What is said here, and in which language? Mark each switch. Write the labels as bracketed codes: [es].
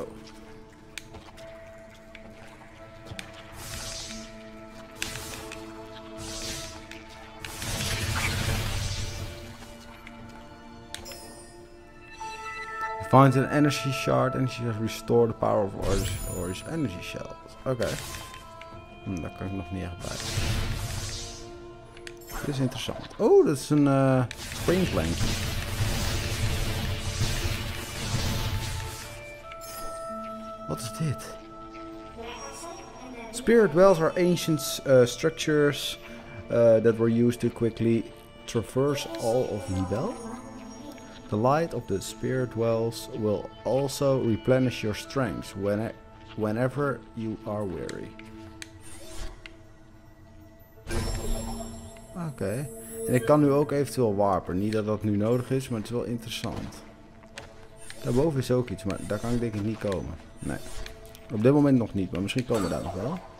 [en] Find an energy shard and she has restored the power of Orange energy shells. [nl] Oké. Okay. Daar kan ik nog niet echt bij. Dit is interessant. Oh, dat is een spring plank. Wat is dit? [en] Spirit wells are ancient structures that were used to quickly traverse all of Nibel. The light of the spirit wells will also replenish your strength whenever you are weary. [nl] Oké. En ik kan nu ook eventueel warpen. Niet dat dat nu nodig is, maar het is wel interessant. Daarboven is ook iets, maar daar kan ik denk ik niet komen. Nee. Op dit moment nog niet, maar misschien komen we daar nog wel.